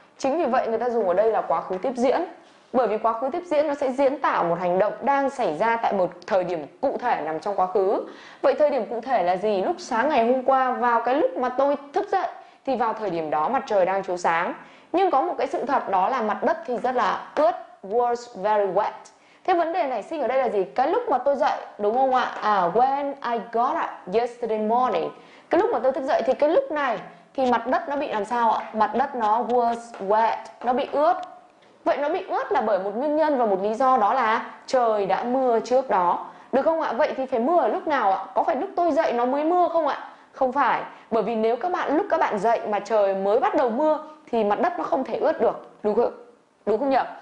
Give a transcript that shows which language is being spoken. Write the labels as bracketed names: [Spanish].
[Vietnamese] Chính vì vậy người ta dùng ở đây là quá khứ tiếp diễn. Bởi vì quá khứ tiếp diễn nó sẽ diễn tả một hành động đang xảy ra tại một thời điểm cụ thể nằm trong quá khứ. Vậy thời điểm cụ thể là gì? Lúc sáng ngày hôm qua vào cái lúc mà tôi thức dậy thì vào thời điểm đó mặt trời đang chiếu sáng. Nhưng có một cái sự thật đó là mặt đất thì rất là ướt, [English] was very wet. [Vietnamese] Thế vấn đề này sinh ở đây là gì? Cái lúc mà tôi dậy, đúng không ạ? [English] À, when I got up yesterday morning. [Vietnamese] Cái lúc mà tôi thức dậy thì cái lúc này thì mặt đất nó bị làm sao ạ? Mặt đất nó [English] was wet, [Vietnamese] nó bị ướt. Vậy nó bị ướt là bởi một nguyên nhân và một lý do, đó là trời đã mưa trước đó. Được không ạ? Vậy thì phải mưa ở lúc nào ạ? Có phải lúc tôi dậy nó mới mưa không ạ? Không phải, bởi vì nếu các bạn lúc các bạn dậy mà trời mới bắt đầu mưa thì mặt đất nó không thể ướt được, đúng không nhỉ?